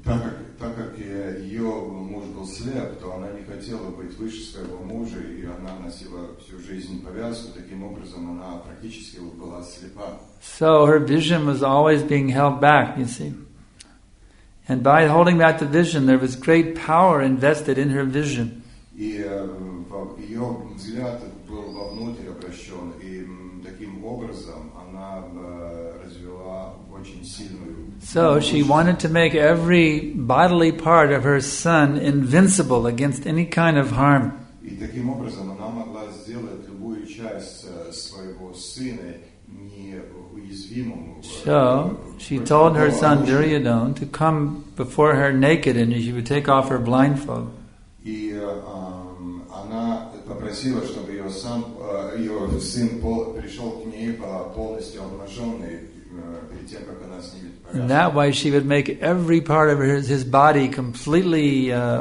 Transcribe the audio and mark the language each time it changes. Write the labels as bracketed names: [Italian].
[Russian] Так как ее муж был слеп, то она не хотела быть выше своего мужа, и она носила всю жизнь повязку. Таким образом, она практически была слепа. [English] So her vision was always being held back, you see. And by holding back the vision, there was great power invested in her vision. [Russian] И ее взгляд был вовнутрь обращен, и таким образом она развела очень сильную. [English] So she wanted to make every bodily part of her son invincible against any kind of harm. [Russian] И таким образом она могла сделать любую часть своего сына неуязвимым. [English] So she told her son Duryodhana to come before her naked and she would take off her blindfold. [Russian] И она попросила, чтобы ее сын пришел к ней полностью обнаженный перед тем, как она снимет. [English] And that way she would make every part of his body completely